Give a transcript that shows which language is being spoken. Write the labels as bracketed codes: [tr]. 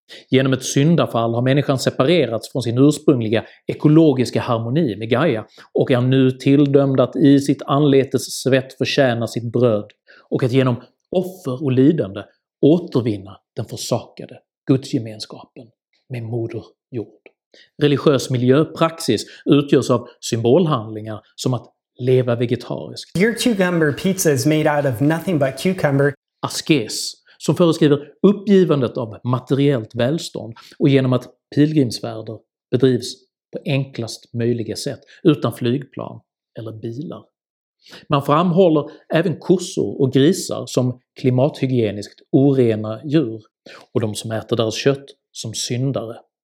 [sv] Genom ett syndafall har människan separerats från sin ursprungliga ekologiska harmoni med Gaia och är nu tilldömd att i sitt anletes svett förtjäna sitt bröd och att genom offer och lidande återvinna den försakade gudsgemenskapen med moderjord. Religiös miljöpraxis utgörs av symbolhandlingar som att leva vegetariskt. [en] Your cucumber pizza is made out of nothing but cucumber. [sv] Askes, som föreskriver uppgivandet av materiellt välstånd och genom att pilgrimsfärder bedrivs på enklast möjliga sätt utan flygplan eller bilar. Man framhåller även kossor och grisar som klimathygieniskt orena djur och de som äter deras kött som syndare.